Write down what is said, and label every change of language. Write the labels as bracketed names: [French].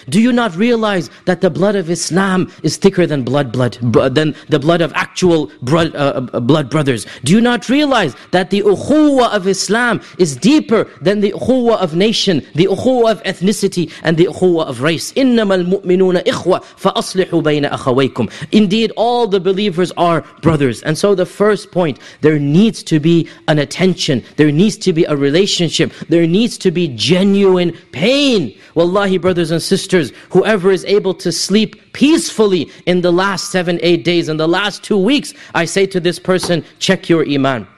[English] Do you not realize that the blood of Islam is thicker than than the blood of actual blood brothers? Do you not realize that the ukhuwa of Islam is deeper than the ukhuwa of nation, the ukhuwa of ethnicity, and the ukhuwa of race? [Arabic] Innamal mu'minuna فَأَصْلِحُوا بَيْنَ أَخَوَيْكُمْ. [English] Indeed, all the believers are brothers. And so the first point, there needs to be an attention, there needs to be a relationship, there needs to be genuine pain. Wallahi, brothers and sisters, whoever is able to sleep peacefully in the last 7-8 days, in the last 2 weeks, I say to this person, check your iman.